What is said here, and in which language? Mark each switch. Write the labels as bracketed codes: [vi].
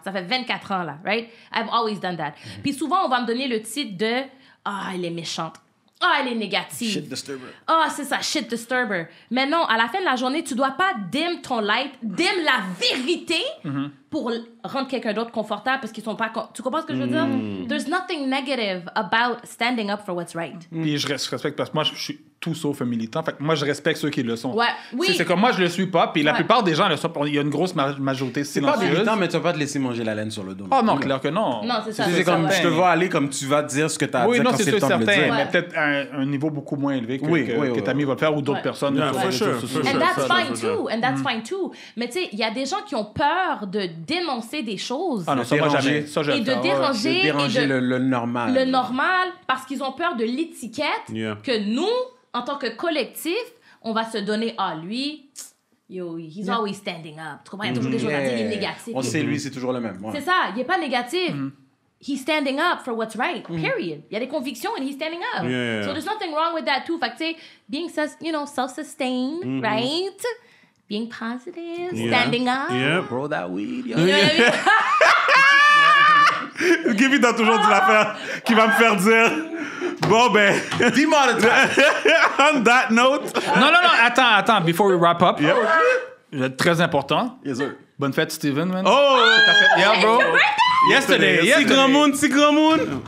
[fr] Ça fait 24 ans, là, [en] right? I've always done that. [fr] Mm-hmm. Puis souvent, on va me donner le titre de « Ah, elle est méchante. » Ah, oh, elle est négative. [en] Shit disturber. [fr] Ah, oh, c'est ça, [en] shit disturber. [fr] Mais non, à la fin de la journée, tu dois pas dim ton light, dim la vérité pour rendre quelqu'un d'autre confortable parce qu'ils sont pas... Tu comprends ce que je veux dire? [en] There's nothing negative about standing up for what's right. [fr] Puis je respecte parce que moi, je suis tout sauf un militant. Fait que moi, je respecte ceux qui le sont. Ouais. Oui. C'est comme moi, je le suis pas. Puis la plupart des gens, le sont, il y a une grosse majorité silencieuse. C'est pas militant, mais tu vas pas te laisser manger la laine sur le dos. Ah oh, non, clair que non. Non, c'est ça. C'est comme, ça, je te vois aller comme tu vas dire ce que t'as à dire non, quand c'est sûr, le temps de le dire. Ouais. Mais peut-être un niveau beaucoup moins élevé que, que ta mère va le faire ou d'autres personnes. [en] Yeah, for sure. And that's fine too. And that's fine too. [fr] Mais tu sais, il y a des gens qui ont peur de dénoncer des choses. Ah non, ça va jamais. Ça, je et de déranger le normal. Le normal, parce qu'ils ont peur de l'étiquette que nous, en tant que collectif, on va se donner à lui. [en] Yo, he's always standing up. [fr] Tu comprends? Il y a toujours des choses à dire, il est négatif. On sait, lui, c'est toujours le même. C'est ça, il n'est pas négatif. [en] he's standing up for what's right, mm-hmm. period. [fr] Il y a des convictions [en] and he's standing up. Yeah, yeah. So there's nothing wrong with that too. [fr] Fait que, tu sais, [en] being, you know, self-sustained, mm-hmm. right? Being positive, yeah. standing up. Yeah, bro, that weed, yo. You know what I mean? [fr] Gibby t'as toujours dit l'affaire qui va me faire dire bon ben [en] demonetize. On that note, [fr] non non non, attends attends, [en] before we wrap up, yep. [fr] Je vais être très important, [en] yes sir, [fr] bonne fête Steven, man. Oh, oh [en] fait, yeah bro, yesterday, yesterday. [fr] Si grand monde, si grand monde,